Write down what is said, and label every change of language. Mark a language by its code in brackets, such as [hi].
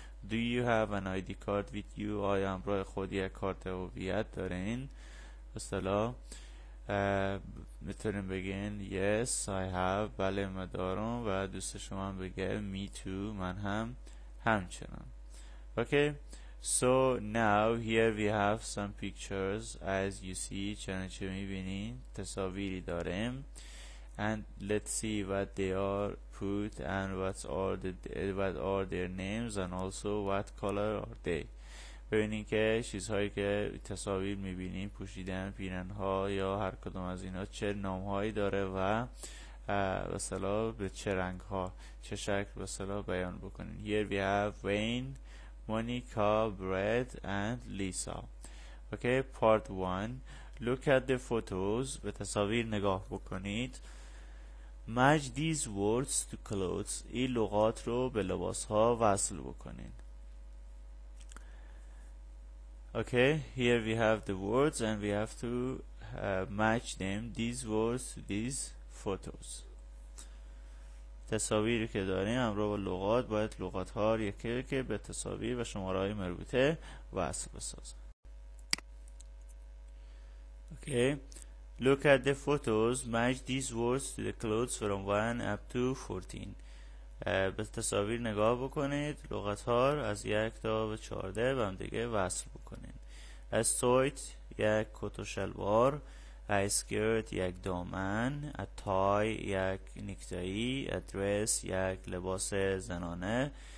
[en] Do you have an ID card with you؟ [fa] آیا همراه خود یک کارت هویت دارن؟ السلام، میتونیم بگین [en] Yes I have، [fa] بله من دارم. و دوست شما هم بگه [en] Me too، [fa] من هم همچنان. [en] Okay، so now here we have some pictures. As you see، [fa] چنانچه میبینین تصاویری دارم. [en] And let's see what they are put and what are their names and also what color are they. [fa] ببینین که چیزهایی که تصاویر میبینین، پوشیدن، پیرنها یا هر کدوم از اینا چه نامهایی داره و مثلا به چه رنگها، چه شکل مثلا بیان بکنین. [en] Here we have Wayne، Monica، Brad and Lisa. Okay، part 1. Look at the photos. [fa] به تصاویر نگاه بکنید. [en] Match these words to clothes. [fa] این لغات رو به لباس ها وصل بکنید. [en] Okay، here we have the words and we have to match them, these words to these photos. [fa] تصاویری که داریم همراه با لغات، باید لغات ها رو یک یک به تصاویر و شماره های مربوطه وصل بسازیم. [en] Okay، look at the photos. Match these words to the clothes from 1 up to 14. [fa] به تصاویر نگاه بکنید، لغت ها از 1 تا 14 به هم دیگه وصل بکنید. [en] A sweat، [fa] یک کت و شلوار. [en] A skirt، [fa] یک دامن. [en] A tie، [fa] یک نکتایی. [en] A dress، [fa] یک لباس زنانه.